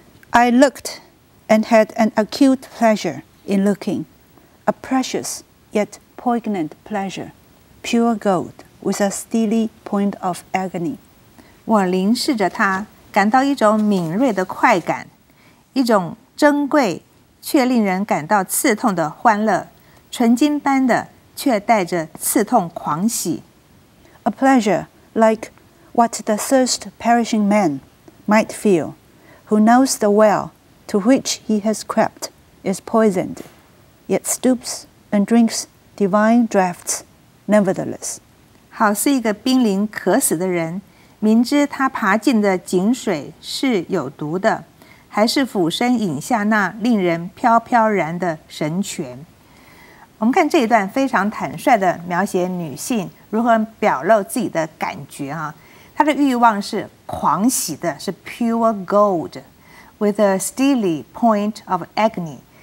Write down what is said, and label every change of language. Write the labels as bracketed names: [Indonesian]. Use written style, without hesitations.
[English] I looked and had an acute pleasure in looking, a precious yet poignant pleasure, pure gold with a steely point of agony. [Chinese] 我凝视着它，感到一种敏锐的快感，一种珍贵却令人感到刺痛的欢乐，纯金般的却带着刺痛狂喜。 [English] A pleasure like what the thirst perishing man might feel who knows the well to which he has crept is poisoned, yet stoops and drinks divine draughts nevertheless. [Chinese] 好似一个濒临渴死的人，明知他爬进的井水是有毒的，还是俯身饮下那令人飘飘然的神泉。我们看这一段非常坦率地描写女性如何表露自己的感觉啊，她的欲望是狂喜的，是 [English] pure gold with a steely point of agony，